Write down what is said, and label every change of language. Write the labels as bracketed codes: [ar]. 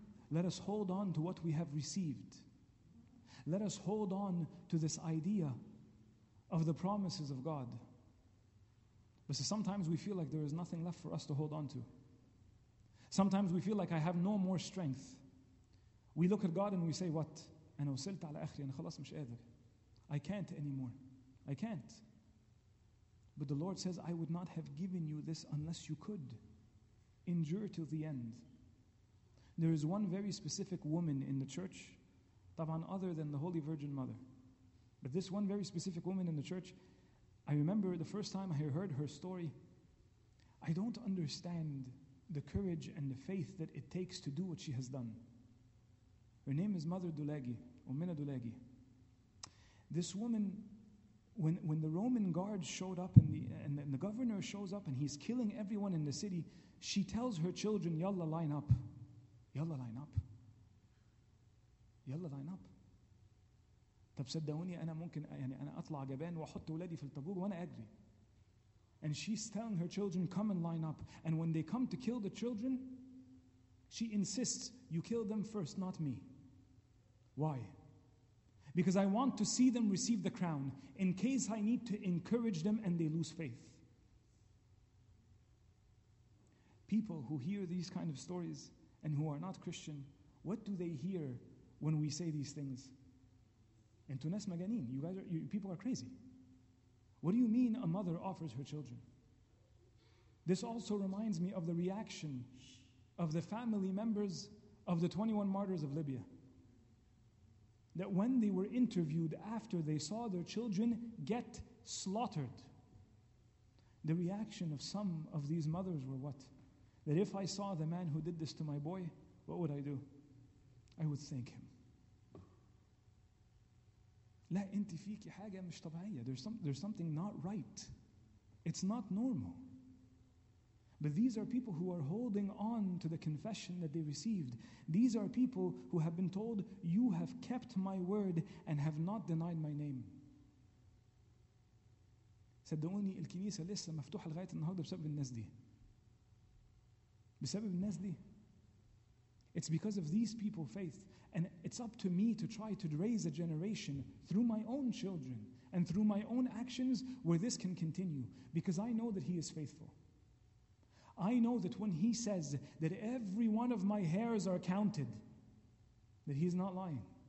[en] Let us hold on to what we have received. Let us hold on to this idea of the promises of God. But sometimes we feel like there is nothing left for us to hold on to. Sometimes we feel like I have no more strength. We look at God and we say, what? [ar] أنا وصلت على آخري, أنا خلاص مش قادر. [en] I can't anymore. I can't. But the Lord says, I would not have given you this unless you could. Endure till the end. There is one very specific woman in the church, طبعاً other than the Holy Virgin Mother. But this one very specific woman in the church, I remember the first time I heard her story, I don't understand the courage and the faith that it takes to do what she has done. Her name is Mother Dulegi, Umina Dulegi. This woman, when the Roman guards showed up and the governor shows up and he's killing everyone in the city, she tells her children, yalla, line up. Yalla, line up. [ar] يلا [en] Line up. [ar] طب صدقوني انا ممكن يعني انا اطلع جبان واحط ولادي في الطابور وانا اجري. [en] And she's telling her children, come and line up. And when they come to kill the children, she insists, you kill them first, not me. Why? Because I want to see them receive the crown in case I need to encourage them and they lose faith. People who hear these kind of stories and who are not Christian, what do they hear when we say these things? And Tunes Maganin, you guys are, you people are crazy. What do you mean a mother offers her children? This also reminds me of the reaction of the family members of the 21 martyrs of Libya. That when they were interviewed after they saw their children get slaughtered, the reaction of some of these mothers were what? That if I saw the man who did this to my boy, what would I do? I would thank him. [ar] لا انت فيك حاجة مش طبيعية. [en] There's something not right. It's not normal. But these are people who are holding on to the confession that they received. These are people who have been told, you have kept my word and have not denied my name. [ar] صدقوني الكنيسة لسه مفتوحة لغاية النهاردة بسبب الناس دي. بسبب الناس دي. [en] It's because of these people's faith. And it's up to me to try to raise a generation through my own children and through my own actions where this can continue. Because I know that he is faithful. I know that when he says that every one of my hairs are counted, that he is not lying.